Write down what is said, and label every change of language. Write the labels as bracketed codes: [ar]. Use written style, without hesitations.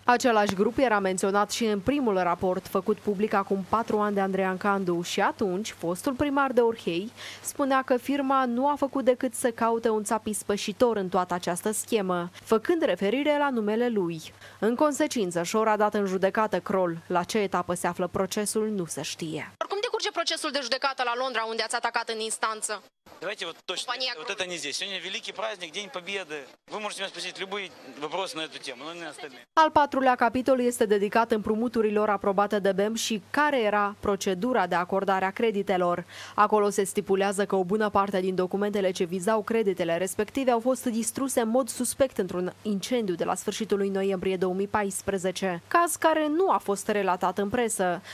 [ro] Același grup era menționat și în primul raport făcut public acum 4 ani de Andrian Candu și atunci fostul primar de Orhei spunea că firma nu a făcut decât să caute un țap ispășitor în toată această schemă, făcând referire la numele lui. În consecință, Șor a dat în judecată Crol. La ce etapă se află procesul, nu se știe. Oricum decurge procesul de judecată la Londra, unde ați atacat în instanță? [ru] Давайте вот точно, вот это не здесь. Сегодня великий праздник, День Победы. Вы можете меня спросить любые вопросы на эту тему, но не остальные. [ro] Al patrulea capitol este dedicat împrumuturilor aprobate de BEM și care era procedura de acordare a creditelor. Acolo se stipulează că o bună parte din documentele ce vizau creditele respective au fost distruse în mod suspect într-un incendiu de la sfârșitul lui noiembrie 2014, caz care nu a fost relatat în presă.